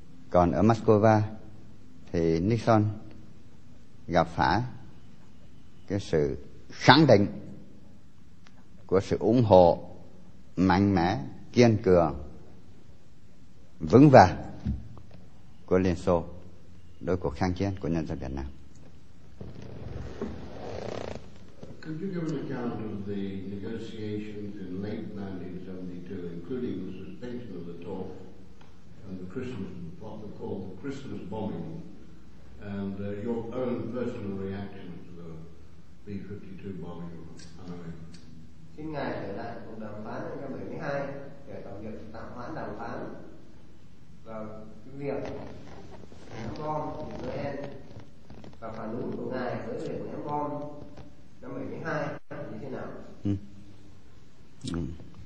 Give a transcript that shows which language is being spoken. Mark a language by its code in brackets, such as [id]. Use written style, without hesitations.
[vi] Còn ở Moscow thì Nixon gặp phải cái sự khẳng định của sự ủng hộ mạnh mẽ, kiên cường, vững vàng của Liên Xô đối cuộc kháng chiến của nhân dân Việt Nam. [en] Could you give an account of the negotiations in late 1972, including the suspension of the talk and the Christmas, what they call the Christmas bombing, and your own personal reaction to the B-52 bombing? [vi] Xin ngài trở lại cuộc đàm phán năm 1972 để tổng duyệt tạm hoãn đàm phán và việc ném bom của UN và phản ứng của ngài với việc ném bom năm 1972